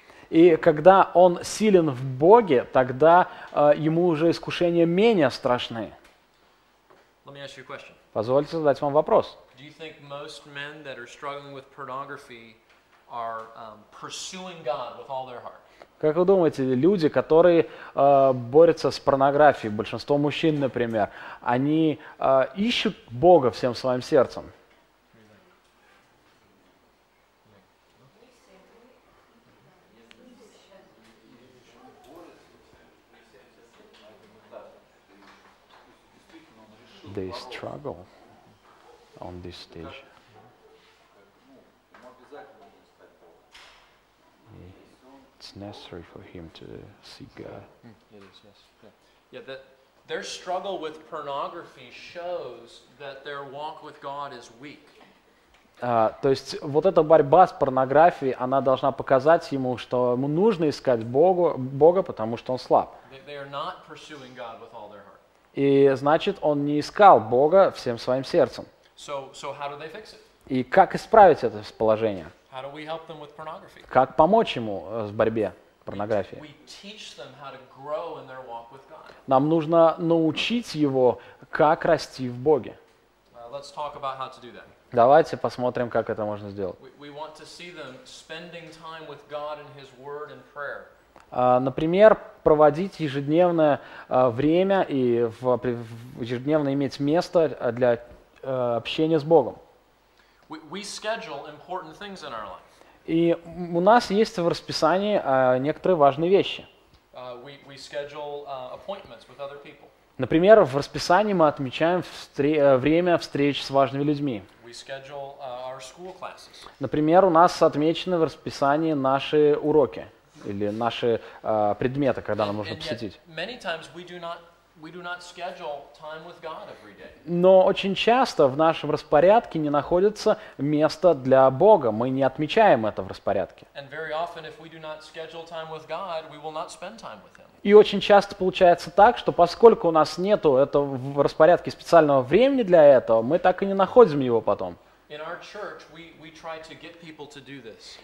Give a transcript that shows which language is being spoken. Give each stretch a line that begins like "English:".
Russian: И когда он силен в Боге, тогда ему уже искушения менее страшны. Позвольте задать вам вопрос.
English: Do you think most men that are struggling with pornography are pursuing God with all their heart?
Russian: Как вы думаете, люди, которые борются с порнографией, большинство мужчин, например, они ищут Бога всем своим сердцем?
English: They struggle. On this stage. It's necessary for him to seek God. It is, yes. Yeah. Yeah, their struggle with pornography shows that their walk with God is weak.
Russian: То есть вот эта борьба с порнографией, она должна показать ему, что ему нужно искать Бога, потому что он слаб.
English: They are not pursuing God with all their heart.
Russian: И значит, он не искал Бога всем своим сердцем.
English: So how do they fix it?
Russian: И как исправить это положение?
English: How do we help them with pornography?
Russian: Как помочь ему в борьбе с порнографией?
English: We teach them how to grow in their walk with God.
Russian: Нам нужно научить его, как расти в Боге.
English: Let's talk about how to do that.
Russian: Давайте посмотрим, как это можно сделать.
English: We want to see them spending time with God in His Word and prayer.
Russian: Например, проводить ежедневное время и ежедневно иметь место для общение с Богом.
English: We schedule important things in our life.
Russian: И у нас есть в расписании некоторые важные вещи.
English: We schedule appointments with other people.
Russian: Например, в расписании мы отмечаем время встреч с важными людьми.
English: We schedule our school classes.
Russian: Например, у нас отмечены в расписании наши уроки или наши предметы, когда нам нужно посетить.
English: Many times we do not schedule time with God every day.
Russian: Но очень часто в нашем распорядке не находится место для Бога. Мы не отмечаем это в распорядке.
English: And very often, if we do not schedule time with God, we will not spend time with Him.
Russian: И очень часто получается так, что поскольку у нас нету этого в распорядке специального времени для этого, мы так и не находим его потом.
English: In our church, we try to get people to do this.